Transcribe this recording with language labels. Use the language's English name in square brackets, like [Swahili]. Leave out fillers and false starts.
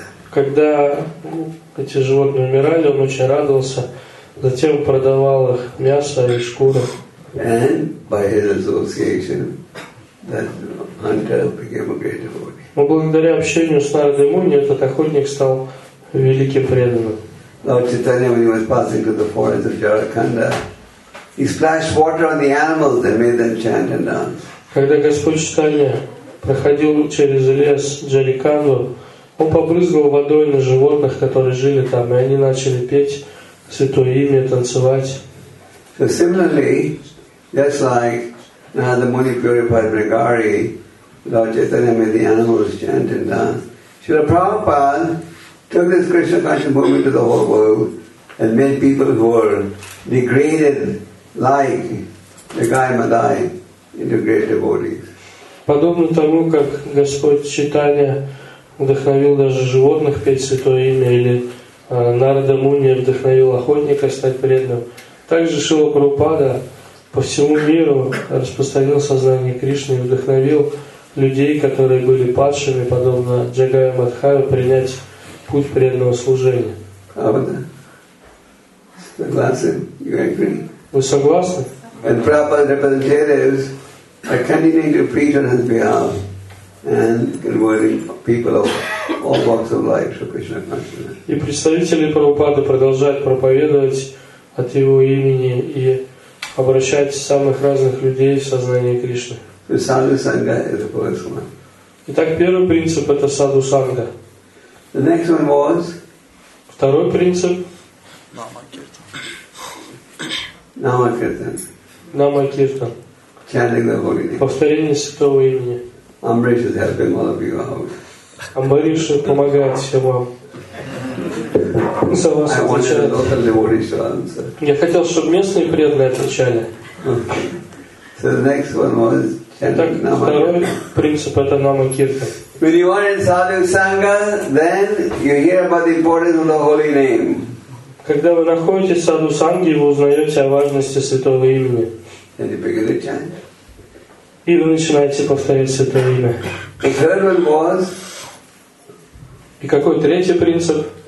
[Russian] Когда эти животные умирали, он очень радовался. Затем продавал их мясо и шкуры. [English] And by his association, that hunter became a great devotee. [Russian] Но благодаря общению с Нарадой Муни этот охотник стал великим преданным. [English] Lord Chaitanya, when he was passing through the forest of Jarakanda, he splashed water on the animals and made them chant and dance. [Russian] Когда Господь Читания проходил через лес Джариканду, он побрызгал водой на животных, которые жили там, и они начали петь Святое имя, танцевать. [English] So similarly, just like Narada Muni purified Brigari, Lord Chaitanya made the animals chant and dance. Srila Prabhupada took this Krishna consciousness movement to the whole world and made people who were degraded like Brigari Madai into great devotees. [Russian] Подобно тому, как Господь Читания вдохновил даже животных петь Святое имя, или Нарада Муни вдохновил охотника стать преданным. Также Шрила Прабхупада по всему миру распространил сознание Кришны и вдохновил людей, которые были падшими, подобно Джагая Мадхаю, принять путь преданного служения. Правда? Согласны? Вы согласны? [English] And Prabhupada's representatives are continuing to preach on his behalf and converting people of all walks of life to Krishna consciousness. [Russian] И представители Прабхупады продолжают проповедовать от его имени и обращать самых разных людей в сознание Кришны. Саду-санга – это первое. Итак, первый принцип – это саду-санга. [English] The next one was? [Russian] Второй принцип. Нама-киртан. Нама-киртан. [English] Chanting the holy name. [Russian] Повторение святого имени. [English] Amrish is helping all of you out. [Russian] Амбариша помогает всем вам. [English] I wanted the local devotees to answer. [Russian] Я хотел, чтобы местные преданные отвечали. [English] So the next one was chanting Nama. [Russian] Второй принцип – это Нама-кирта. [English] When you are in Sadhu-sangha, then you hear about the importance of the holy name. [Russian] Когда вы находитесь в Sadhu-sangha, вы узнаете о важности святого имени. [English] And you begin to chant. [Russian] И вы начинаете повторять святое имя. [English] The third one was. [Russian] И какой третий принцип?